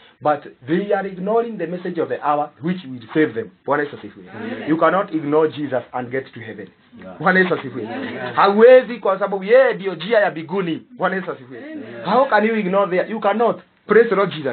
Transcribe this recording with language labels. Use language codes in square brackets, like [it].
[en] But they are ignoring the message of the hour which will save them. [sw] Bwana Yesu asifiwe. [en] You cannot ignore Jesus and get to heaven. [sw] Bwana Yesu asifiwe. Hawezi kwa sababu yeye ndio njia ya mbinguni. Bwana Yesu asifiwe. [en] How can you ignore there? You cannot. Praise the Lord Jesus.